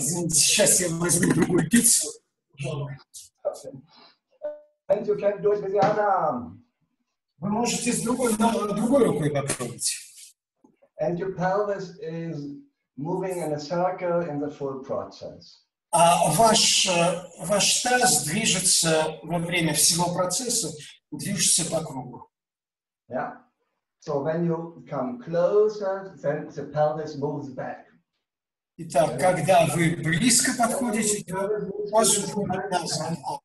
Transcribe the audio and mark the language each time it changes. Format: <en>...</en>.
<ru>Сейчас я возьму другую пиццу.</ru> <en>And you can do it with the other arm.</en> <ru>Вы можете с другой рукой попробовать.</ru> <en>And your pelvis is moving in a circle in the full process.</en> <ru>А ваш таз движется во время всего процесса, движется по кругу.</ru> <en>Yeah. So when you come closer, then the pelvis moves back.</en> <ru>Итак, okay. Когда вы близко подходите, то таз уходит назад.</ru>